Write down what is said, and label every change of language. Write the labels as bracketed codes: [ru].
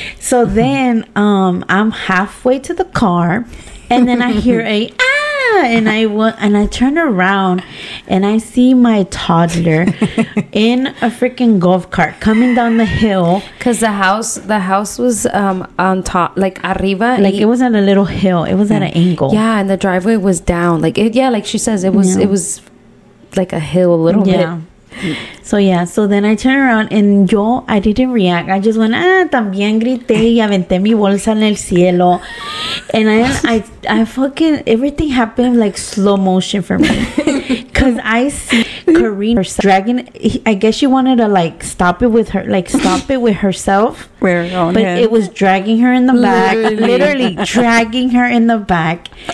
[en] So then I'm halfway to the car, and then I hear and I turn around and I see my toddler in a freaking golf cart coming down the hill, because the house was on top, like arriba, like it was at a little hill, it was at an angle, yeah, and the driveway was down, like it, yeah, like she says, it was, yeah, it was like a hill a little, yeah, bit. So yeah, so then I turn around and I didn't react. I just went, [es] también grité y aventé mi bolsa en el cielo. [en] And I fucking, everything happened like slow motion for me. Because I see Karina dragging, I guess she wanted to like stop it with her, like stop it with herself. Where? But it was dragging her in the back, literally dragging her in the back.